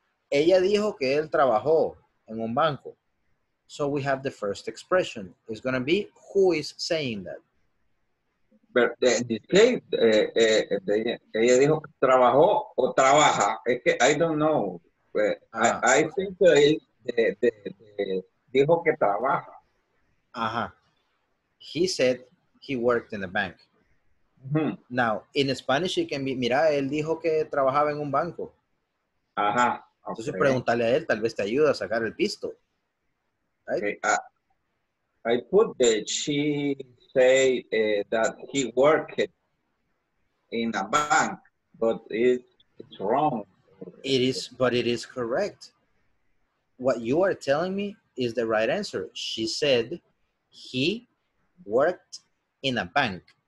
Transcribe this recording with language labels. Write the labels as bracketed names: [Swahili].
[Spanish] Ella dijo que él trabajó en un banco. [English] So we have the first expression. It's going to be, who is saying that? But in this case, [Spanish] ella dijo que trabajó o trabaja. Es que [English] I don't know. But I think that [Spanish] dijo que trabaja. [English] Ajá. He said he worked in a bank. Mm-hmm. Now, in Spanish, it can be, [Spanish] mira, él dijo que trabajaba en un banco. Ajá. [English] Okay. [Spanish] Entonces, pregúntale a él, tal vez te ayuda a sacar el pisto. [English] Right? Okay. I put that she say that he worked in a bank, but it's wrong. It is, but it is correct. What you are telling me is the right answer. She said he worked in a bank.